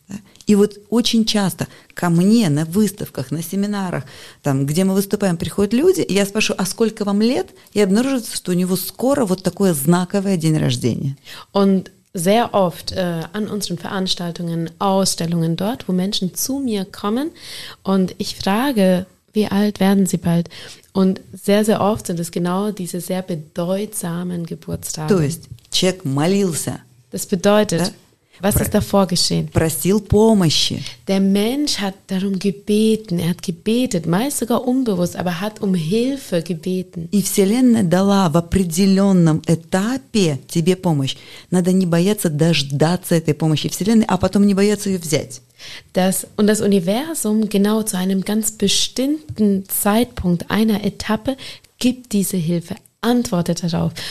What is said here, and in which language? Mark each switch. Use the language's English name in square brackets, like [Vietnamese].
[Russian] Да. И вот очень часто ко мне на выставках, на семинарах, там, где мы выступаем, приходят люди, и я спрашиваю, а сколько вам лет? И обнаруживается, что у него скоро вот такое знаковое день рождения. [German] Und sehr oft an unseren Veranstaltungen, Ausstellungen dort, wo Menschen zu mir kommen und ich frage, wie alt werden sie bald? Und sehr, sehr oft sind es genau diese sehr bedeutsamen Geburtstage. [Russian] То есть, человек молился. [German] Das bedeutet, да? Was ist davor geschehen? [Russian] Просил помощи. [German] Der Mensch hat darum gebeten, er hat gebetet, meist sogar unbewusst, aber hat um Hilfe gebeten. [Russian] И Вселенная дала в определенном этапе тебе помощь. Надо не бояться дождаться этой помощи Вселенной, а потом не бояться ее взять. [German] Das, und das Universum genau zu einem ganz bestimmten Zeitpunkt einer Etappe gibt diese Hilfe, antwortet darauf.